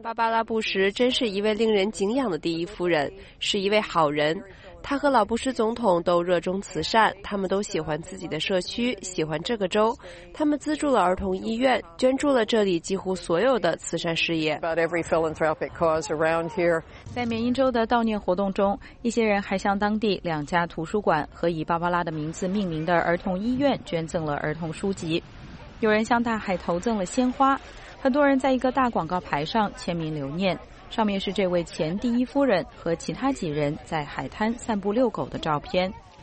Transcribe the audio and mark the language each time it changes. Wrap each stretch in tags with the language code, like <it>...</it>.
<zh>芭芭拉·布什真是一位令人敬仰的第一夫人，是一位好人。她和老布什总统都热衷慈善，他们都喜欢自己的社区，喜欢这个州。他们资助了儿童医院，捐助了这里几乎所有的慈善事业。</zh> <en>About every philanthropic cause around here.</en> <zh>在缅因州的悼念活动中，一些人还向当地两家图书馆和以芭芭拉的名字命名的儿童医院捐赠了儿童书籍。有人向大海投赠了鲜花。很多人在一个大广告牌上签名留念，上面是这位前第一夫人和其他几人在海滩散步遛狗的照片。</zh>